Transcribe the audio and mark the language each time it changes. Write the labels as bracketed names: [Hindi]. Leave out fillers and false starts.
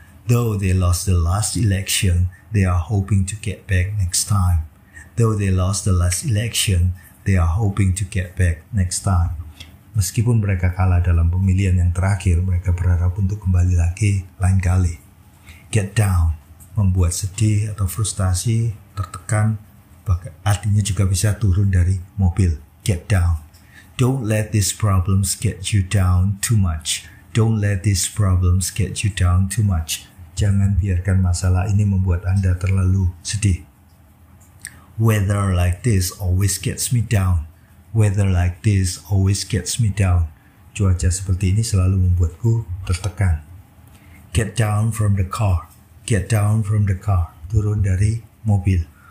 [English] Though they lost the last election, they are hoping to get back next time. Though they lost the last election, they are hoping to get back next time. [Indonesian] Meskipun mereka kalah dalam pemilihan yang terakhir, mereka berharap untuk kembali lagi lain kali. Get down, membuat sedih atau frustasi, tertekan, artinya juga bisa turun dari mobil. [English] Get down. Don't let these problems get you down too much. Don't let these problems get you down too much. [Indonesian] Jangan biarkan masalah ini membuat Anda terlalu sedih. [English] Weather like this always gets me down. Weather like this always gets me down. [Indonesian] Cuaca seperti ini selalu membuatku tertekan. [English] Get down from the car. Get down from the car. [Indonesian] Turun dari mobil.